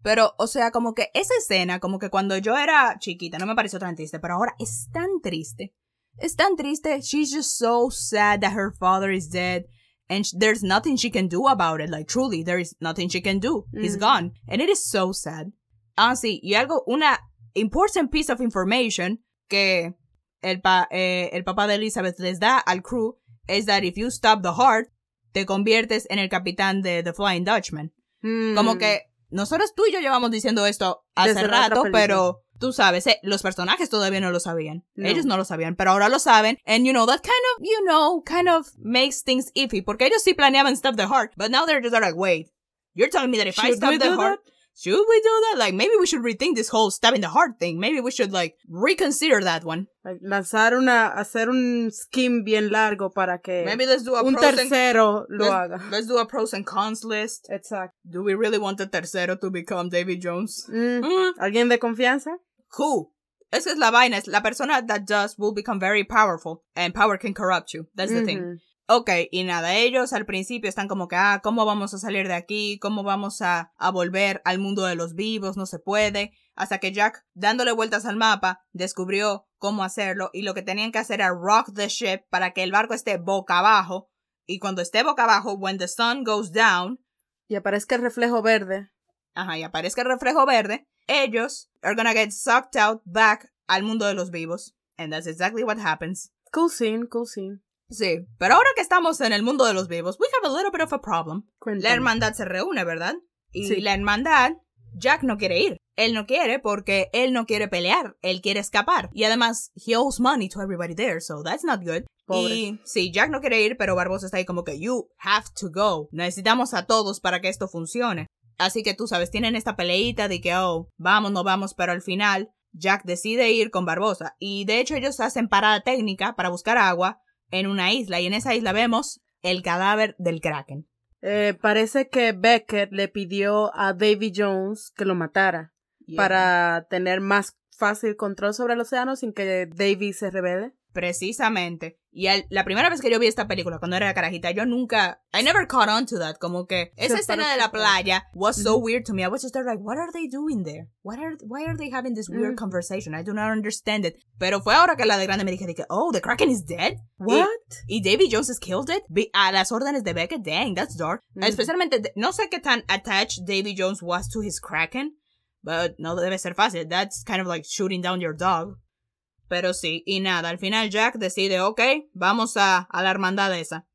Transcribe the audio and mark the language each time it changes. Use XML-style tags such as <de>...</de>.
<es>Pero, o sea, como que esa escena, como que cuando yo era chiquita, no me pareció tan triste, pero ahora es tan triste. Es tan triste.</es> <en>She's just so sad that her father is dead. And there's nothing she can do about it. Like, truly, there is nothing she can do. Mm-hmm. He's gone. And it is so sad. Honestly,</en> <es>y algo, una</es> <en>important piece of information</en> <es>que el papá de Elizabeth les da al</es> <en>crew is that if you stop the heart,</en> <es>te conviertes en el capitán de</es> <en>The Flying Dutchman.</en> <es>Como que nosotros tú y yo llevamos diciendo esto hace rato, pero tú sabes, los personajes todavía no lo sabían. No. Ellos no lo sabían, pero ahora lo saben.</es> <en>And you know, that kind of makes things iffy.</en> <es>Porque ellos sí planeaban</es> <en>stop the heart, but now they're just like, wait, you're telling me that if I stop the heart, should we do that? Like, maybe we should rethink this whole stabbing the heart thing. Maybe we should, like, reconsider that one. Like,</en> <es>hacer un scheme bien largo para que</es> <en>maybe let's do a</en> <es>un tercero lo haga.</es> <en>Let's do a pros and cons list.</en> <es>Exacto.</es> <en>Do we really want the tercero to become Davy Jones?</en> <es>¿Alguien de confianza? Who? Esa es la vaina. Es la persona</es> <en>that does will become very powerful. And power can corrupt you. That's the thing.</en> <es>Okay, y nada, ellos al principio están como que, ¿cómo vamos a salir de aquí? ¿Cómo vamos a volver al mundo de los vivos? No se puede. Hasta que Jack, dándole vueltas al mapa, descubrió cómo hacerlo. Y lo que tenían que hacer era rock the ship para que el barco esté boca abajo. Y cuando esté boca abajo,</es> <en>when the sun goes down.</en> <es>Y aparezca el reflejo verde. Ajá, y aparezca el reflejo verde. Ellos</es> <en>are gonna get sucked out back</en> <es>al mundo de los vivos.</es> <en>And that's exactly what happens. Cool scene.</en> <es>Sí, pero ahora que estamos en el mundo de los vivos,</es> <en>we have a little bit of a problem.</en> <es>Cuéntame. La hermandad se reúne, ¿verdad? Y sí. La hermandad, Jack no quiere ir. Él no quiere porque él no quiere pelear. Él quiere escapar. Y además,</es> <en>he owes money to everybody there, so that's not good.</en> <es>Pobre. Y sí, Jack no quiere ir, pero Barbosa está ahí como que,</es> <en>you have to go.</en> <es>Necesitamos a todos para que esto funcione. Así que tú sabes, tienen esta peleita de que, oh, vamos, no vamos, pero al final Jack decide ir con Barbossa. Y de hecho ellos hacen parada técnica para buscar agua en una isla. Y en esa isla vemos el cadáver del Kraken. Parece que Beckett le pidió a Davy Jones que lo matara. Yeah. Para tener más fácil control sobre el océano sin que Davy se rebele. Precisamente. Y la primera vez que yo vi esta película, cuando era carajita, yo nunca...</es> <en>I never caught on to that.</en> <es>Como que esa escena de la playa</es> <en>was so weird to me. I was just like, what are they doing there? Why are they having this weird conversation? I do not understand it.</en> <es>Pero fue ahora que la de grande me dije,</es> <en>oh, the Kraken is dead? What?</en> <es>¿Y</es> <en>Davy Jones has killed it?</en> <es>A las órdenes de Beckett?</es> <en>Dang, that's dark. Mm.</en> <es>Especialmente, no sé qué tan</es> <en>attached Davy Jones was to his Kraken, but</en> <es>no debe ser fácil.</es> <en>That's kind of like shooting down your dog.</en> <es>Pero sí, y nada, al final Jack decide, ok, vamos a la hermandad esa.</es>